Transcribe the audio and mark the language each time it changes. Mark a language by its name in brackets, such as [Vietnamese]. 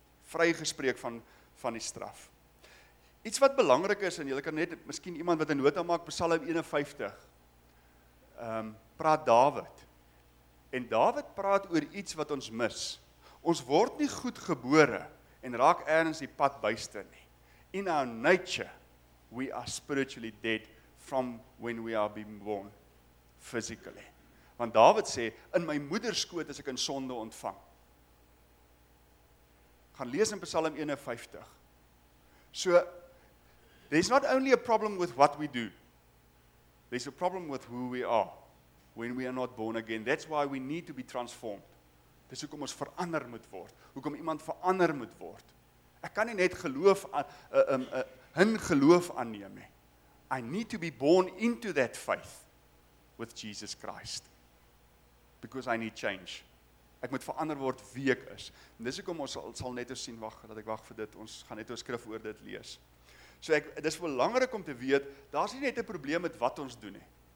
[Afrikaans] Vrygespreek van die straf. Iets wat belangrik is, en jy kan net, miskien iemand wat 'n nota maak, Psalm 51, praat Dawid. En Dawid praat oor iets wat ons mis. Ons word nie goed gebore en raak ergens die pad byster nie. [English] In our nature, we are spiritually dead from when we are being born physically. [Afrikaans] Want Dawid sê, in my moederskoot is ek in sonde ontvang. Gaan lees in Psalm 51. [English] So, there's not only a problem with what we do. There's a problem with who we are when we are not born again. That's why we need to be transformed. [Afrikaans] Dis hoekom ons verander moet word. Hoekom iemand verander moet word. Ek kan nie net geloof aan, hun geloof aanneem nie. [English] I need to be born into that faith with Jesus Christ. Because I need change. [Afrikaans] Ek moet verander word wie ek is. En dis hoekom ons sal net eens sien, wag vir dit. Ons gaan net ons skrif oor dit lees. So dit is belangrik om te weet, daar is nie net 'n probleem met wat ons doen nie.